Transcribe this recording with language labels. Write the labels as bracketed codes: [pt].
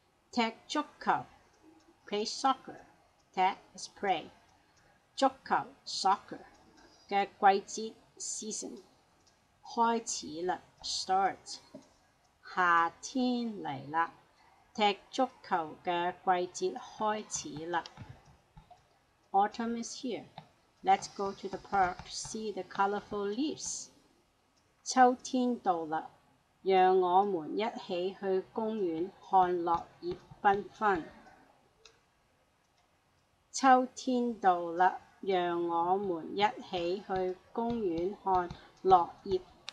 [zh] 踢足球, [en] play soccer. 踢 is play. [zh] 足球, soccer, 的季节, season. 开始了, start. 夏天来了, 踢足球的季节开始了. [en] Autumn is here. Let's go to the park to see the colorful leaves. [zh] 秋天到了, 让我们一起去公园看落叶缤纷. 秋天到了, 让我们一起去公园看落叶缤纷.